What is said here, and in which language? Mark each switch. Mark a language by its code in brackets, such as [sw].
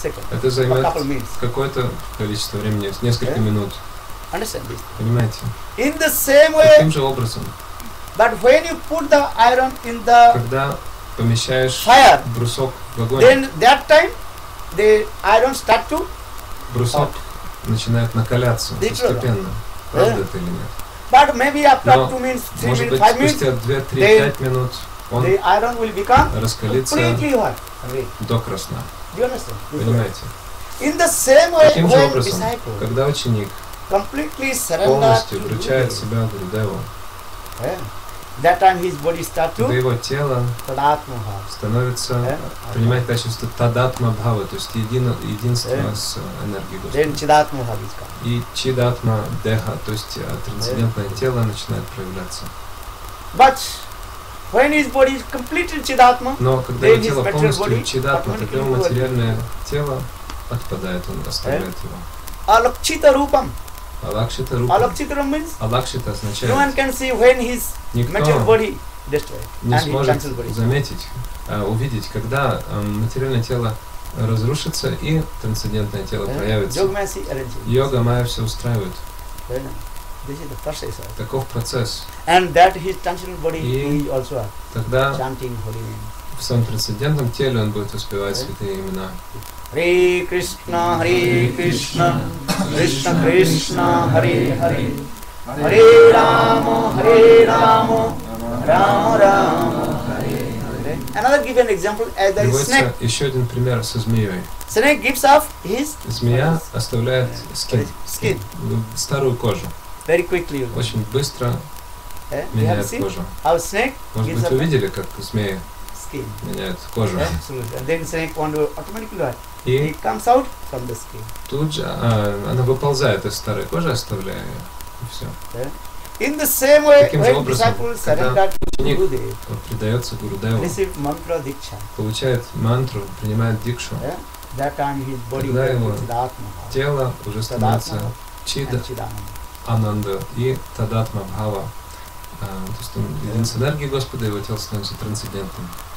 [ru] Это займет какое-то количество времени, несколько минут. Понимаете? [en] In the same way, [ru] таким же образом. [en] But when you put the iron in the [ru] когда помещаешь [en] fire, [ru] брусок в огонь, [en] then that time the iron start to [ru] брусок начинает накаляться постепенно. Правда это или нет? [en] But maybe after 2 minutes, [ru] 3 может быть, [en] five [ru] спустя 2-3-5 минут он [en] the iron will become [ru] раскалится [en] completely hot. [ru] До красна. [en] You [ru] понимаете? [en] In the same way, [ru] таким же образом, когда ученик полностью вручает себя Гурудеву, его тело становится, принимает качество тадатма бхава, то есть единство с энергией Господа. И чидатма деха, то есть трансцендентное тело начинает проявляться. [en] But when his body is completely chidatma, [ru] но когда [en] then [ru] его тело полностью чидатма, то его материальное тело отпадает, он оставляет его. Алакшита рупам. Алакшита рупам. Алакшита рупам means? Алакшита означает. [en] No one can see when his material body destroyed. [ru] Не сможет заметить, увидеть, когда материальное тело разрушится и трансцендентное тело проявится. Йога майя все устраивает. [en] This is the process. [ru] Таков процесс. [en] And that his transcendental body [ru] и [en] he also [ru] тогда [en] chanting holy name. [ru] В своем трансцендентном теле он будет воспевать святые имена. [sa] Hare Krishna, Hare Krishna, Krishna Krishna, Hare Hare. Hare Rama, Hare Rama, Rama Rama, Hare Hare. [en] Another give an example as the snake. [ru] Еще один пример со змеей. [en] Snake gives off his [ru] змея оставляет skin. Старую кожу. [en] Very quickly. [ru] Очень быстро меняет кожу. [en] How snake? [ru] Может быть, вы видели, как змеи меняют кожу? [en] Then snake want to automatically. He comes out from the skin. [ru] Тут же она выползает из старой кожи, оставляя ее, и все. [en] In the same way, when disciples surrender to [ru] Gurudev, предается Гурудеву, [en] receive mantra diksha, [ru] получает мантру, принимает дикшу. [en] That time his body [ru] becomes тело уже становится чида. Ананда и тадатма бхава. То есть он един с энергией Господа, его тело становится трансцендентным.